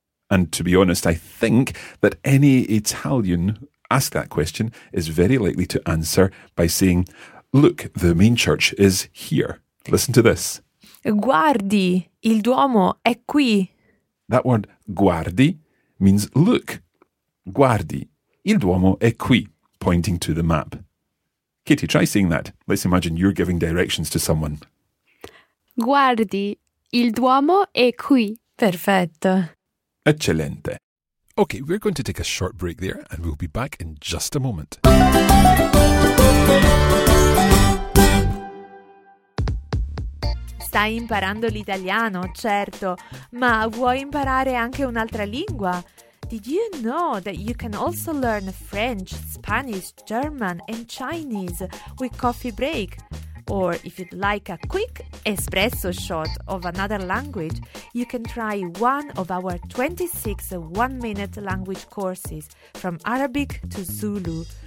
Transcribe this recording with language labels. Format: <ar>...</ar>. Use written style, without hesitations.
<en>And to be honest, I think that any Italian ask that question is very likely to answer by saying, look, the main church is here. Listen to this.</en> <it>Guardi, il Duomo è qui.</it> <en>That word guardi means look.</en> <it>Guardi, il Duomo è qui,</it> <en>pointing to the map. Katie, try saying that. Let's imagine you're giving directions to someone.</en> <it>Guardi, il Duomo è qui. Perfetto. Eccellente.</it> <en>Okay, we're going to take a short break there and we'll be back in just a moment.</en> <it>Stai imparando l'italiano, certo, ma vuoi imparare anche un'altra lingua?</it> <en>Did you know that you can also learn French, Spanish, German and Chinese with Coffee Break? Or if you'd like a quick espresso shot of another language, you can try one of our 26 one-minute language courses from Arabic to Zulu.</en>